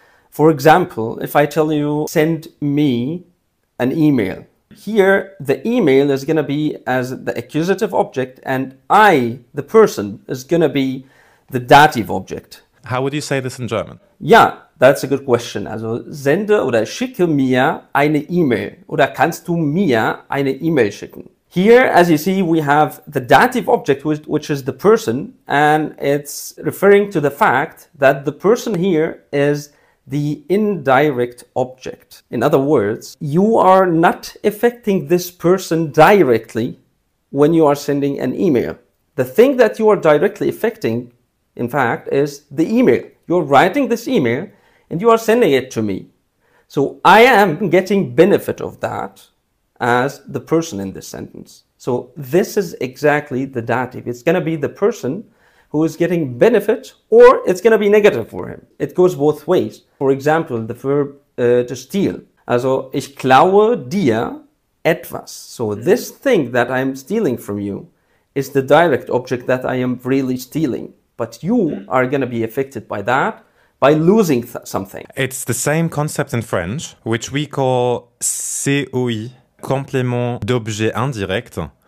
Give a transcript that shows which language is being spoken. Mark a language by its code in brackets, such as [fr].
[en] For example, if I tell you, send me an email. Here, the email is going to be as the accusative object and I, the person, is going to be the dative object. How would you say this in German? Yeah, that's a good question. [de] Also, sende oder schicke mir eine E-Mail. Oder kannst du mir eine E-Mail schicken? [en] Here, as you see, we have the dative object, which is the person. And it's referring to the fact that the person here is the indirect object. In other words, you are not affecting this person directly when you are sending an email. The thing that you are directly affecting, in fact, is the email. You're writing this email and you are sending it to me. So I am getting benefit of that as the person in this sentence. So this is exactly the dative. It's going to be the person who is getting benefit or it's going to be negative for him. It goes both ways. For example, the verb to steal. [de] Also, ich klaue dir etwas. [en] So this thing that I'm stealing from you is the direct object that I am really stealing. But you are going to be affected by that, by losing something. It's the same concept in French, which we call COI, complément d'objet indirect.